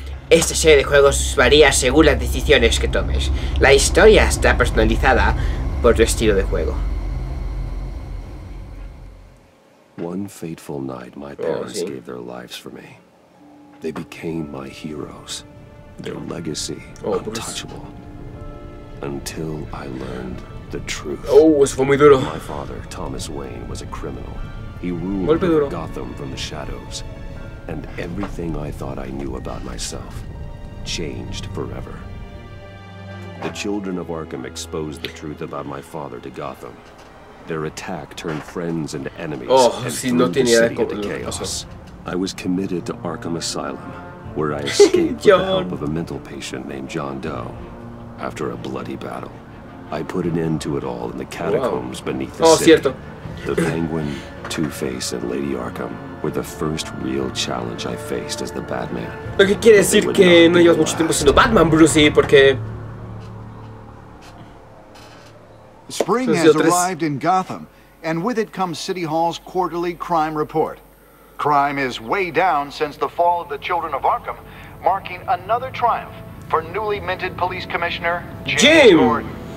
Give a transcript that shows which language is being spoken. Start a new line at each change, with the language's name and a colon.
Spanish: Esta serie de juegos varía según las decisiones que tomes. La historia está personalizada por tu estilo de juego.
English: One fateful night, my parents gave their lives for me. They became my heroes. Their legacy, untouchable. Until I learned the truth.
Spanish: Oh, eso fue muy duro.
English: My father, Thomas Wayne, was a criminal. He ruled Gotham from the shadows. And everything I thought I knew about myself changed forever. The children of Arkham exposed the truth about my father to Gotham. Their attack turned friends into enemies, and threw the city into chaos. I was committed to Arkham Asylum, where I escaped with the help of a mental patient named John Doe. After a bloody battle, I put an end to it all in the catacombs beneath the city.
Spanish: Cierto.
English: The Penguin, Two-Face, and Lady Arkham were the first real challenge I faced as the Batman.
Spanish: Lo que quiere decir que no llevas mucho tiempo siendo Batman, Brucey, porque...
English: Spring has arrived in Gotham, and with it comes City Hall's quarterly crime report. Crime is way down since the fall of the Children of Arkham, marking another triumph for newly minted police commissioner James Gordon.